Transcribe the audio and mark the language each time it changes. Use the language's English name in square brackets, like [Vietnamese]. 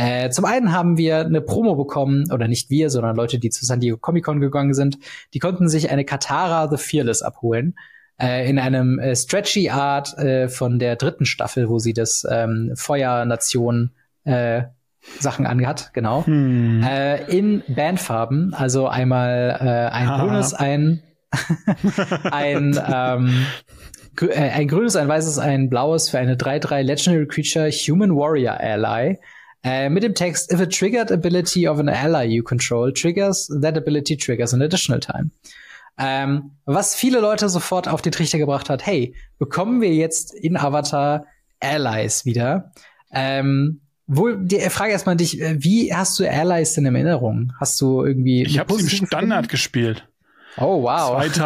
[German] Zum einen haben wir eine Promo bekommen, oder nicht wir, sondern Leute, die zu San Diego Comic-Con gegangen sind, die konnten sich eine Katara the Fearless abholen in einem stretchy Art von der dritten Staffel, wo sie das Feuernation Sachen angehat, genau. In Bandfarben, also einmal ein grünes, ein grünes, ein weißes, ein blaues für eine 3-3 Legendary Creature Human Warrior Ally. Mit dem Text, [English] if a triggered ability of an ally you control triggers, that ability triggers an additional time. [German] Was viele Leute sofort auf den Trichter gebracht hat, hey, bekommen wir jetzt in Avatar Allies wieder? Wohl, die Frage erstmal an dich, wie hast du Allies denn in Erinnerung? Hast du irgendwie. Ich hab's im Standard gespielt. Oh, wow.